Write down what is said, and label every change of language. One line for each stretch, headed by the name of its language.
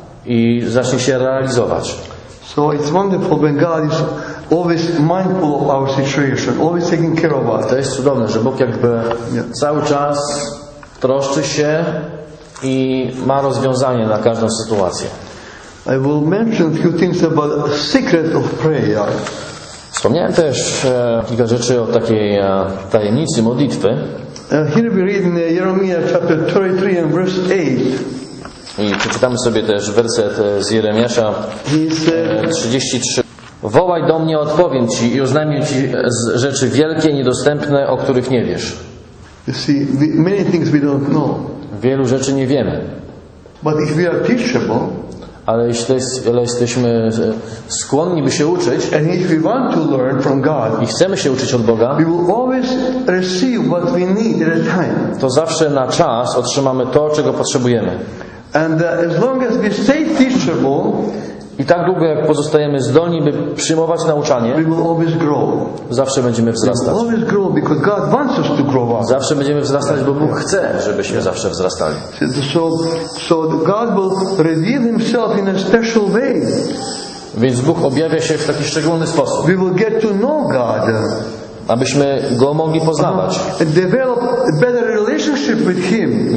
Polish: I zacznie się realizować.
English: So it's wonderful when God is always mindful of our situation, always taking care of us.
Polish: To jest cudowne, że Bóg jakby cały czas troszczy się i ma rozwiązanie na każdą sytuację.
English: I will mention a few things about the secret of prayer.
Polish: Wspomniałem też kilka rzeczy o takiej tajemnicy modlitwy.
English: Here we read in Jeremiah chapter 33 and verse 8.
Polish: I przeczytamy sobie też werset z Jeremiasza 33. Wołaj do mnie, odpowiem ci i oznajmię ci rzeczy wielkie, niedostępne, o których nie wiesz.
English: You see, many things we don't know.
Polish: Wielu rzeczy nie wiemy.
English: But if we are teachable.
Polish: Ale jeśli jesteśmy skłonni, by się uczyć,
English: and if we want to learn from God,
Polish: i chcemy się uczyć od Boga,
English: we will always receive what we need at a time.
Polish: To zawsze na czas otrzymamy to, czego potrzebujemy.
English: And as long as we stay teachable,
Polish: i tak długo, jak pozostajemy zdolni, by przyjmować nauczanie,
English: we will always grow.
Polish: Zawsze będziemy wzrastać.
English: We will always grow because God wants us to grow up.
Polish: Zawsze będziemy wzrastać, bo Bóg chce, żebyśmy zawsze wzrastali.
English: So God will reveal himself in a special way.
Polish: Więc Bóg objawia się w taki szczególny sposób.
English: We will get to know God.
Polish: Abyśmy Go mogli poznawać.
English: Develop a better relationship with him.